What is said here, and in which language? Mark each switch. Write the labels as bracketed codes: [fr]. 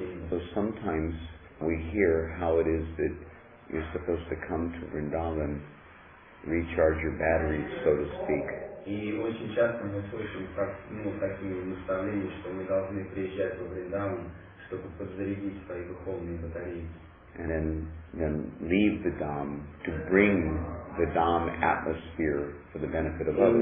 [en] So sometimes we hear how it is that you're supposed to come to Vrindavan, recharge your batteries, so to speak. [ru] И очень часто мы слышим такие наставления, что мы должны приезжать во Вриндаван, чтобы подзарядить свои духовные батареи. [en] And then leave the Dham to bring the Dham atmosphere for the benefit of others.